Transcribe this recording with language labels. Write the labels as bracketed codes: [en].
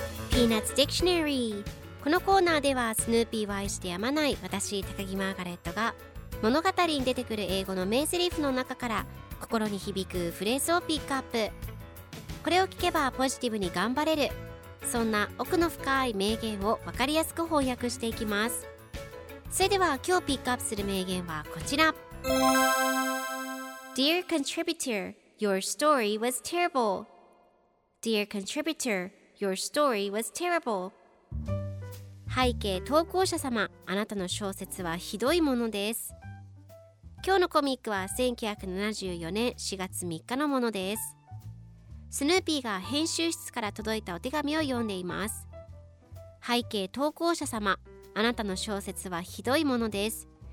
[ja] ピーナッツ・ディクショナリー。このコーナーではスヌーピーを愛してやまない私、高木マーガレットが物語に出てくる英語の名セリフの中から心に響くフレーズをピックアップ。これを聞けばポジティブに頑張れる、そんな奥の深い名言を分かりやすく翻訳していきます。それでは今日ピックアップする名言はこちら。 [en] Dear Contributor, your story was terrible. Dear Contributor, your story was terrible. [ja] 背景投稿者様、あなたの小説はひどいものです。今日のコミックは1974年4月3日のものです。スヌーピーが編集室から届いたお手紙を読んでいます。背景投稿者様、あなたの小説はひどいものです。